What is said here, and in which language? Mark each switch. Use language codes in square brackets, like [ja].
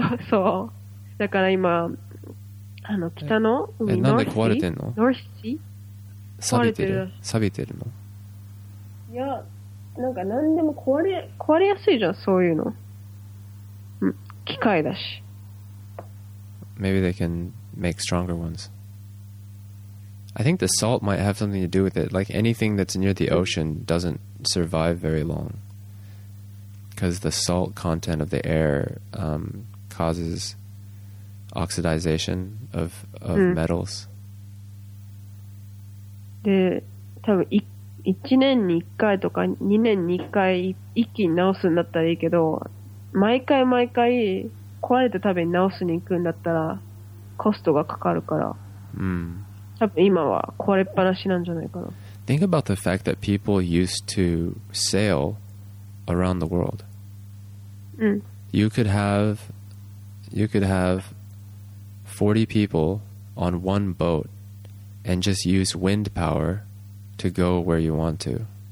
[ja] そう、だから今北の海の、なんで壊れてんの？ノースシー錆びてる、錆びてるの。いや、なんか何でも壊れやすいじゃん、そういうの機械だし。 [en] Maybe they can make stronger ones. I think the salt might have something to do with it. Like anything that's near the ocean doesn't survive very long, because the salt content of the air causes oxidization of metals. [ja] で、多分1年に1回とか2年に1回一気に直すんだったらいいけど、毎回毎回壊れたたびに直すに行くんだったらコストがかかるから、多分今は壊れっぱなしなんじゃないかな。 [en] Think about the fact that people used to sail around the world. You could have 40 people on one boat and just use wind power to go where you want to.